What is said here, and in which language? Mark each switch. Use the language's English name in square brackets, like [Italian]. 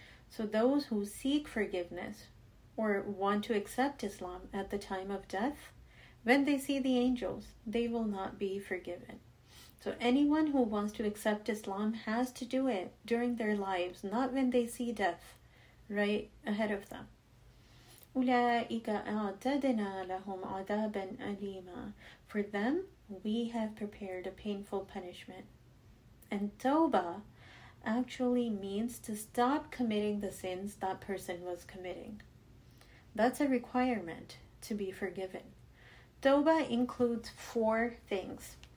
[English] So those who seek forgiveness or want to accept Islam at the time of death, when they see the angels, they will not be forgiven. So anyone who wants to accept Islam has to do it during their lives, not when they see death right ahead of them. [Arabic] أُولَٰئِكَ أَعْتَدْنَا لَهُمْ عَذَابًا أَلِيمًا. [English] For them, we have prepared a painful punishment. And tawbah actually means to stop committing the sins that person was committing. That's a requirement to be forgiven. Tawbah includes four things.